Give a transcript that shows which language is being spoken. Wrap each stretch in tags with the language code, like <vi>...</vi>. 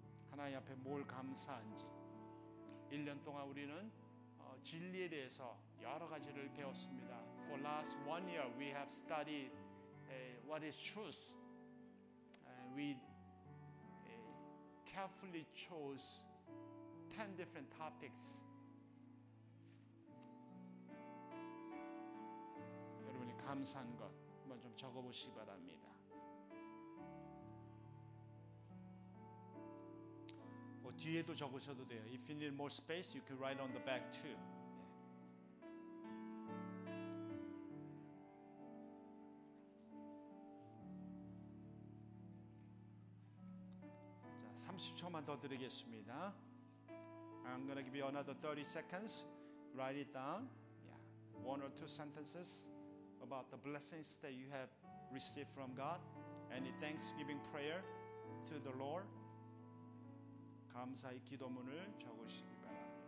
<ko>하나님 앞에 뭘 감사한지 1년 동안 우리는 진리에 대해서 여러 가지를 배웠습니다.</ko> <en>For last 1 year we have studied what is truth. We carefully chose 10 different topics.</en> <ko>여러분이 감사한 것 한번 좀 적어보시기 바랍니다. 뭐 뒤에도 적으셔도 돼요.</ko> <en>If you need more space, you can write on the back too.</en> <ko>30초만 더 드리겠습니다.</ko> <en>I'm going to give you another 30 seconds. Write it down. Yeah. One or two sentences about the blessings that you have received from God. Any thanksgiving prayer to the Lord.</en> <ko>감사의 기도문을 적으시기 바랍니다.</ko>